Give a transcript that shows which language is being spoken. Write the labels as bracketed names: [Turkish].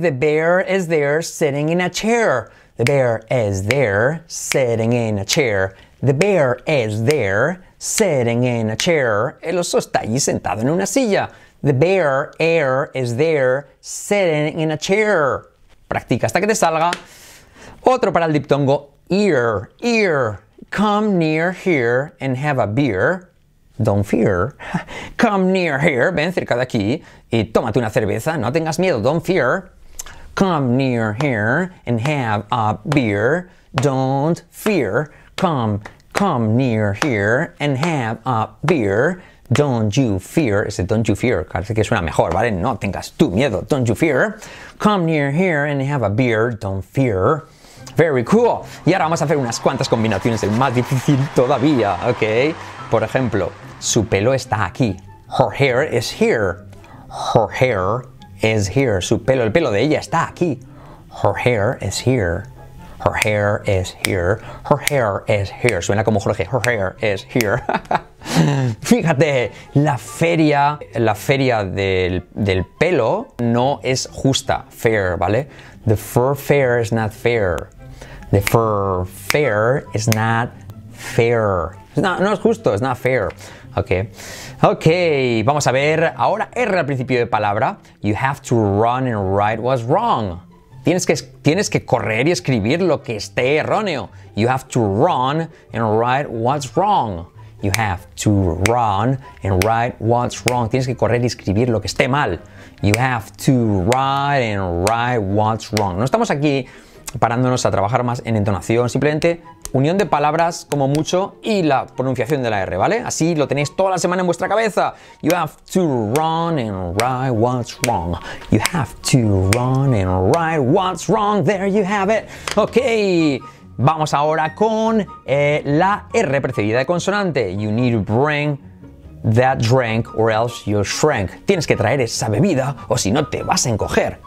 [English] The bear is there sitting in a chair. The bear is there sitting in a chair. The bear is there sitting in a chair. [Spanish] El oso está allí sentado en una silla. [English] The bear air is there sitting in a chair. [Spanish] Practica hasta que te salga. Otro para el diptongo. [English] Ear, ear. Come near here and have a beer. Don't fear. Come near here. [Spanish] Ven cerca de aquí y tómate una cerveza. No tengas miedo. [English] Don't fear. Come near here and have a beer. Don't fear. Come near here and have a beer. Don't you fear, [Spanish] ese [English] don't you fear, [Spanish] parece que suena mejor, ¿vale? No tengas tú miedo, [English] don't you fear. Come near here and have a beer, don't fear. Very cool. [Spanish] Y ahora vamos a hacer unas cuantas combinaciones, el más difícil todavía, ¿ok? Por ejemplo, su pelo está aquí. [English] Her hair is here. Her hair is here. [Spanish] Su pelo, el pelo de ella está aquí. Her hair is here. Her hair is here. [English] Her hair is here. [Spanish] Suena como Jorge. [English] Her hair is here. [Spanish] Fíjate, la feria del pelo no es justa, [English] fair, ¿vale? The fur fair is not fair. The fur fair is not fair. [Spanish] No es justo, [English] it's not fair. [Spanish] Ok, vamos a ver, ahora R al principio de palabra. [English] You have to run and write what's wrong. [Spanish] Tienes que correr y escribir lo que esté erróneo. [English] You have to run and write what's wrong. You have to run and write what's wrong. [Spanish] Tienes que correr y escribir lo que esté mal. [English] You have to write and write what's wrong. [Spanish] No estamos aquí parándonos a trabajar más en entonación, simplemente unión de palabras como mucho y la pronunciación de la R, ¿vale? Así lo tenéis toda la semana en vuestra cabeza. [English] You have to run and write what's wrong. You have to run and write what's wrong. There you have it. [Spanish] Ok, vamos ahora con la R precedida de consonante. [English] You need to bring that drink or else you'll shrink. [Spanish] Tienes que traer esa bebida o si no te vas a encoger.